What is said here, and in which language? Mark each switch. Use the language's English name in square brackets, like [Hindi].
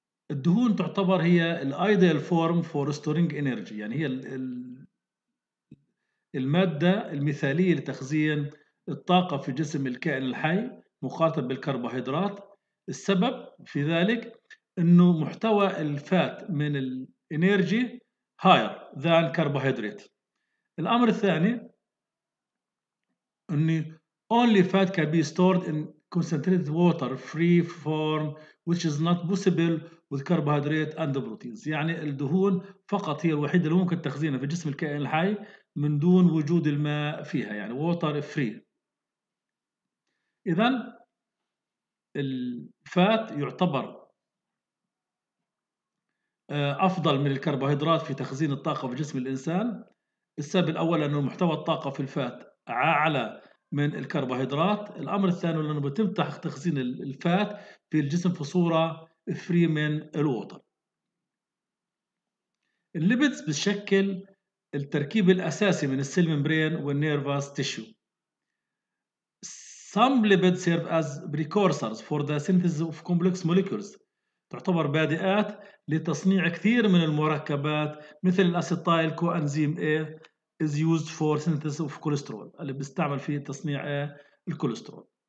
[Arabic] الدهون تعتبر هي الايديال فورم فور ستورينج انرجي، يعني هي المادة المثالية لتخزين الطاقة في جسم الكائن الحي مخاطب بالكربوهيدرات. السبب في ذلك انه محتوى الفات من الانرجي هاير ذان كربوهيدرات. [English] الامر الثاني اني only fat can be stored in concentrated water free form which is not possible with carbohydrates and proteins. [Arabic] يعني الدهون فقط هي الوحيدة اللي ممكن تخزينها في جسم الكائن الحي من دون وجود الماء فيها، يعني [English] water free. [Arabic] اذا الفات يعتبر أفضل من الكربوهيدرات في تخزين الطاقة في جسم الإنسان. السبب الأول أنه محتوى الطاقة في الفات أعلى من الكربوهيدرات. الأمر الثاني أنه بيتم تخزين الفات في الجسم في صورة [English] free [Arabic] من الوتر. الليبيدز بتشكل التركيب الأساسي من [English] السيل ممبرين والنيرفاس tissue. Some lipids serve as precursors for the synthesis of complex molecules. [Arabic] تعتبر بادئات لتصنيع كثير من المركبات مثل الأسيتايل كوانزيم [English] A is used for synthesis of cholesterol، [Arabic] اللي بيستعمل فيه تصنيع الكوليسترول.